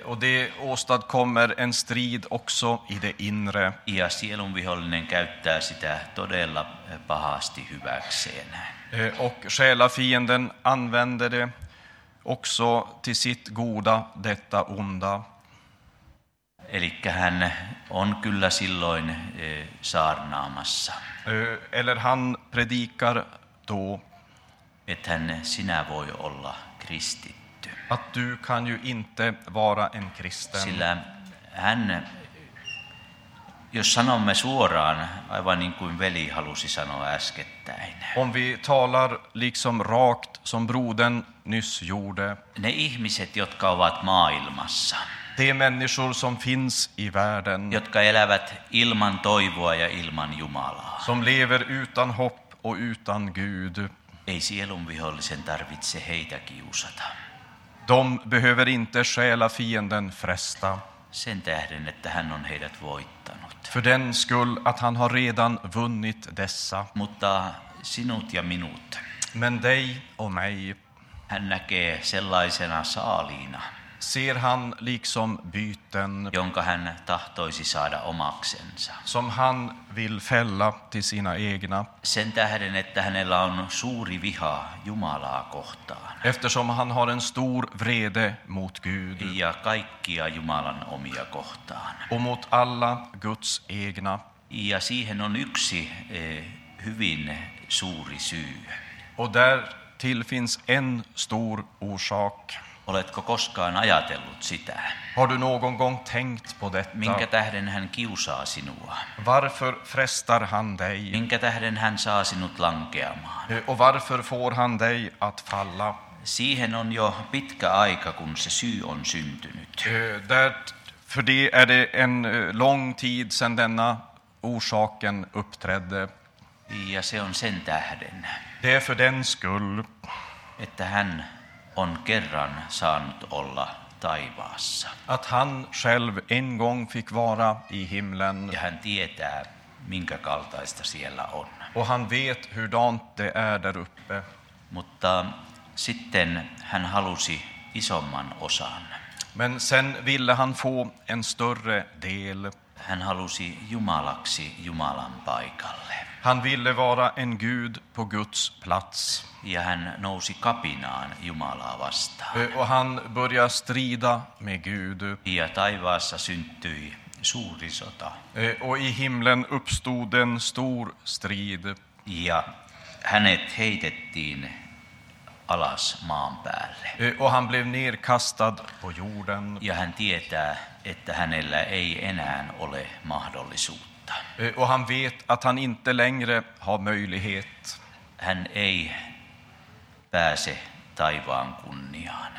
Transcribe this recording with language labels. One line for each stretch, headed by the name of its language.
Swedish: Och det åstadkommer en strid också i det inre.
Finnish: Ja sielun vihollinen käyttää sitä todella pahasti hyväkseen.
Swedish: Och själafienden använder det också till sitt goda, detta onda.
Finnish: Elikkä hän on kyllä silloin saarnaamassa.
Swedish: Eller han predikar då. Att han
Finnish: sinä voi olla kristitty.
Swedish: Att du kan ju inte vara en kristen.
Finnish: Sillä hän, jos sanomme suoraan, aivan niin kuin veli halusi sanoa äskettäin.
Swedish: Om vi talar liksom rakt som brodern nyss gjorde.
Finnish: Ne ihmiset, jotka ovat maailmassa.
Swedish: De människor som finns i världen.
Finnish: Jotka elävät ilman toivoa ja ilman Jumalaa.
Swedish: Som lever utan hopp och utan Gud.
Finnish: Ei sielun vihollisen tarvitse heitä kiusata.
Swedish: De behöver inte själa fienden frästa.
Finnish: Sen tähden, että hän on heidät voittanut.
Swedish: För den skull att han har redan vunnit dessa.
Finnish: Mutta sinut ja minut.
Swedish: Men dig och mig.
Finnish: Hän näkee sellaisena saaliina.
Swedish: Ser han liksom byten.
Finnish: Jonka hän tahtoisi saada omaksensa.
Swedish: Som han vill fälla till sina egna.
Finnish: Sen tähden, että hänellä on suuri viha Jumalaa kohtaan.
Swedish: Eftersom han har en stor vrede mot Gud.
Finnish: Ja kaikkia Jumalan omia kohtaan.
Swedish: Och mot alla Guds egna.
Finnish: Ja siihen on yksi hyvin suuri syy.
Swedish: Och där till finns en stor orsak.
Finnish: Oletko koskaan ajatellut sitä?
Swedish: Har du någon gång tänkt på detta?
Finnish: Minkä tähden hän kiusaa sinua?
Swedish: Varför frestar han dig?
Finnish: Minkä tähden hän saa sinut lankeamaan?
Swedish: Och varför får han dig att falla?
Finnish: Siihen on jo pitkä aika, kun se syy on syntynyt.
Swedish: För det är det en lång tid sedan denna orsaken uppträdde.
Finnish: Ja se on sen tähden.
Swedish: Det är för den skull.
Finnish: Että hän on kerran saanut olla taivaassa.
Swedish: Att han själv en gång fick vara i himlen.
Finnish: Ja hän tietää, minkä kaltaista siellä on.
Swedish: Och han vet hur dante är där uppe.
Finnish: Mutta sitten hän halusi isomman osan.
Swedish: Men sen ville han få en större del.
Finnish: Hän halusi Jumalaksi Jumalan paikalle.
Swedish: Han ville vara en gud på Guds plats.
Finnish: Ja hän nousi kapinaan Jumalaa vastaan.
Swedish: Och han började strida med Gud.
Finnish: Ja taivaassa syntyi suuri sota.
Swedish: Och i himlen uppstod en stor strid.
Finnish: Ja hänet heitettiin alas maan päälle.
Swedish: Och han blev nedkastad på jorden.
Finnish: Ja hän tietää, että hänellä ei enää ole mahdollisuutta.
Swedish: Och han vet att han inte längre har möjlighet.
Finnish: Hän ei pääse taivaan kunniaan.